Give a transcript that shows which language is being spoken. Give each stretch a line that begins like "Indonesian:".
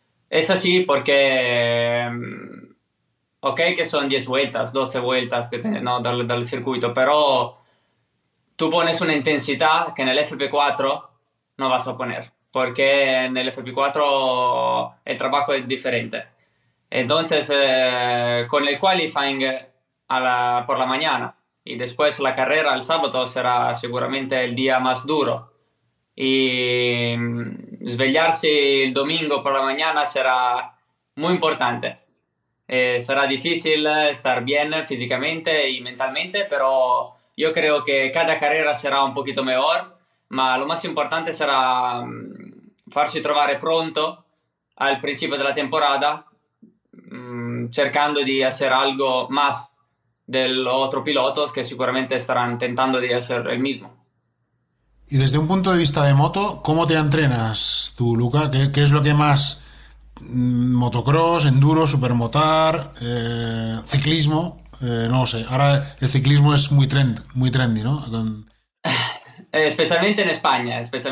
Spanish: Es así porque, ok, que son 10 vueltas, 12 vueltas, depende, ¿no?, del circuito, pero tú pones una intensidad que en el FP4 no vas a poner, porque en el FP4 el trabajo es diferente. Entonces, con el qualifying por la mañana y después la carrera el sábado será seguramente el día más duro.
Italian: Y svegliarsi il domingo per la mañana sarà molto importante. Sarà difficile star bene fisicamente e mentalmente, però io credo che
Spanish: cada carrera
Italian: sarà un pochino migliore, ma lo più importante sarà farsi trovare pronto al principio della temporada, cercando di fare
Spanish: algo más
Italian: dell'altro pilota che sicuramente staranno tentando di fare il mismo.
Spanish: Y desde un punto de vista de moto, ¿cómo te entrenas tú, Luca? ¿Qué es lo que más, motocross, enduro, supermotar, ciclismo? No lo sé, ahora el ciclismo es muy trendy, ¿no? Especialmente en España.